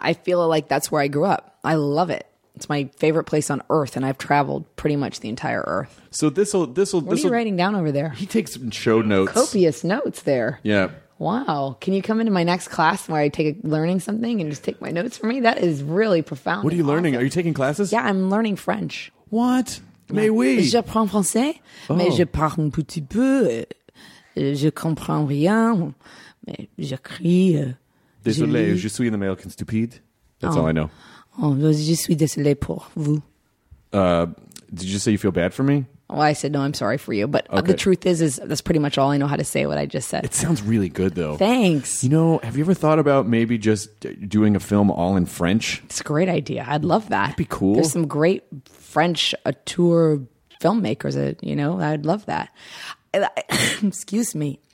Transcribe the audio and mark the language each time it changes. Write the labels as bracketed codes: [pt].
[en] I feel like that's where I grew up. I love it. It's my favorite place on earth, and I've traveled pretty much the entire earth. So this will. What are you writing down over there? He takes show notes. Copious notes there. Yeah. Wow. Can you come into my next class where I take learning something and just take my notes for me? That is really profound. What are you awesome. Learning? Are you taking classes? Yeah, I'm learning French. What? [fr] Mais oui. Je prends français, mais je parle un petit peu. Je comprends rien, mais je crie. Désolé, je suis un Américain stupide. [en] That's all I know. [fr] Oh, je suis désolé pour vous. [en] Did you say you feel bad for me? Well, I said, no, I'm sorry for you. But okay. The truth is that's pretty much all I know how to say what I just said. It sounds really good, though. Thanks. You know, have you ever thought about maybe just doing a film all in French? It's a great idea. I'd love that. That'd be cool. There's some great French auteur filmmakers, you know, I'd love that. Excuse me.